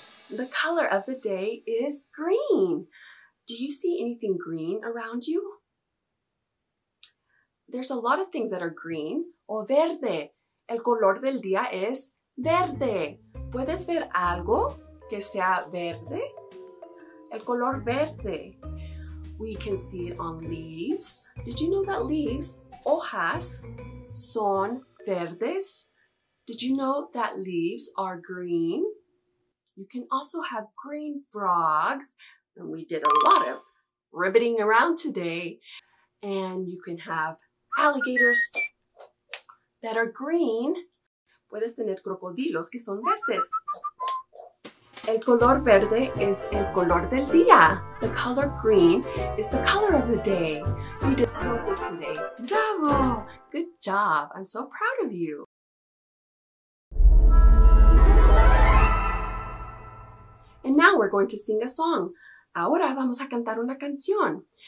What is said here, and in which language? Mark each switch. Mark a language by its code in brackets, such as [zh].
[en] The color of the day is green. Do you see anything green around you? There's a lot of things that are green. [es] O verde. El color del día es verde. ¿Puedes ver algo que sea verde? El color verde. [en] We can see it on leaves. Did you know that leaves, [es] hojas, son verdes? [en] Did you know that leaves are green? You can also have green frogs. And we did a lot of ribbiting around today. And you can have alligators that are green. [es] Puedes tener crocodilos que son verdes. El color verde es el color del día. [en] The color green is the color of the day. You did so good today. Bravo! Good job. I'm so proud of you. And now we're going to sing a song. [es] Ahora vamos a cantar una canción.